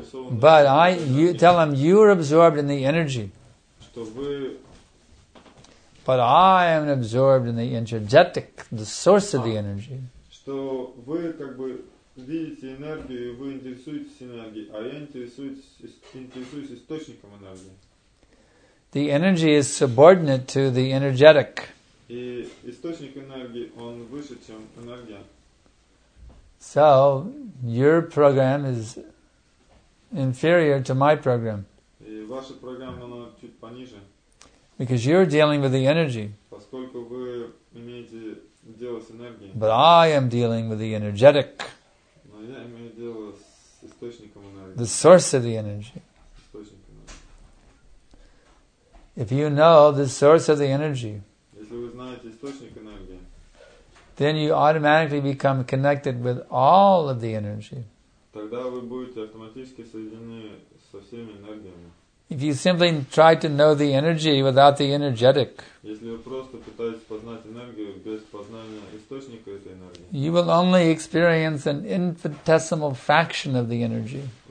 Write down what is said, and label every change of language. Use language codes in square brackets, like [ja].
[en] But you tell them you are absorbed in the energy. But I am absorbed in the energetic, the source of the energy. [ru] Что вы как бы видите энергию, вы интересуетесь энергией, а я интересуюсь источником энергии. [en] The energy is subordinate to the energetic. [ru] И источник энергии он выше, чем энергия. [en] So your program is inferior to my program. [ru] И ваша программа она чуть пониже. [en] Because you're dealing with the energy. [ru] Поскольку вы имеете дело с энергией. [en] But I am dealing with the energetic. [ru] Но я имею дело с источником энергии. [en] The source of the energy. [ru] Источником энергии. [en] If you know the source of the energy, [ru] если вы знаете источник энергии, [en] then you automatically become connected with all of the energy. [ru] Тогда вы будете автоматически соединены со всеми энергиями. [en] If you simply try to know the energy without the energetic, you will only experience an infinitesimal fraction of the energy.